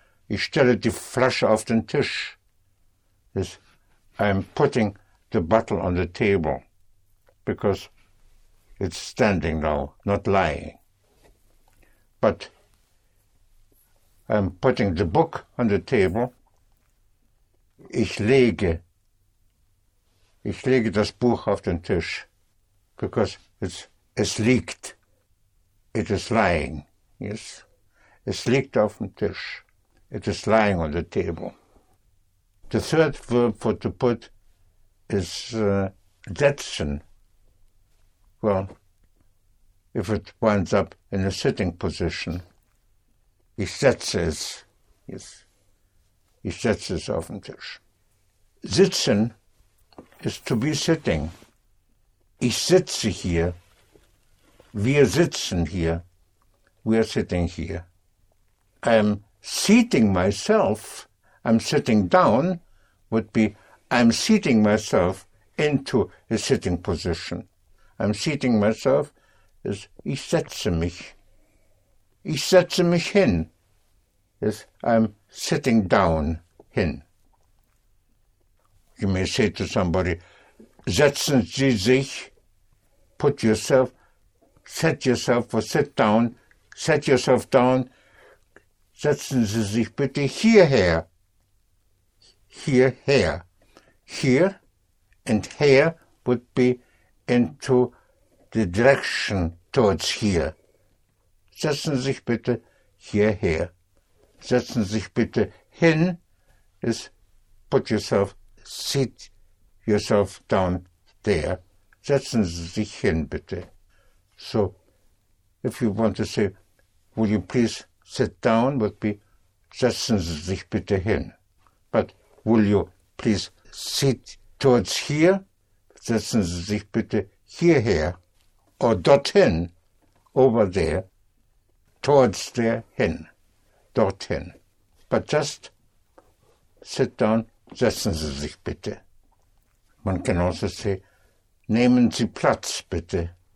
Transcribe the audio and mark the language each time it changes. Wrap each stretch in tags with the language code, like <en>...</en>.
<de>Ich stelle die Flasche auf den Tisch.</de> <en>Is I'm putting the bottle on the table, because it's standing now, not lying. But I'm putting the book on the table.</en> <de>Ich lege das Buch auf den Tisch,</de> <en>because</en> <de>es liegt.</de> <en>It is lying. Yes,</en> <de>es liegt auf dem Tisch.</de> <en>It is lying on the table. The third verb for to put is setzen. Well, if it winds up in a sitting position,</en> <de>ich setze es.</de> <en>Yes,</en> <de>ich setze es auf den Tisch.</de> <en>Sitzen is to be sitting.</en> <de>Ich sitze hier. Wir sitzen hier.</de> <en>We are sitting here. I am seating myself. I'm sitting down would be I'm seating myself into a sitting position. I'm seating myself is</en> <de>ich setze mich. Ich setze mich hin</de> <en>is I'm sitting down</en> <de>hin.</de> <en>You may say to somebody,</en> <de>setzen Sie sich,</de> <en>put yourself, set yourself or sit down, set yourself down,</en> <de>setzen Sie sich bitte hierher. Hierher.</de> <en>Here and here would be into the direction towards here.</en> <de>Setzen Sie sich bitte hierher. Setzen Sie sich bitte hin</de> <en>is put yourself, sit yourself down there.</en> <de>Setzen Sie sich hin, bitte.</de> <en>So, if you want to say, will you please sit down, would be,</en> <de>setzen Sie sich bitte hin.</de> <en>But will you please sit towards here?</en> <de>Setzen Sie sich bitte hierher.</de> <en>Or</en> <de>dorthin,</de> <en>over there, towards there,</en> <de>hin, dorthin.</de> <en>But just sit down,</en> <de>setzen Sie sich bitte. Man kann also</de> <en>say,</en> <de>nehmen Sie Platz, bitte.</de>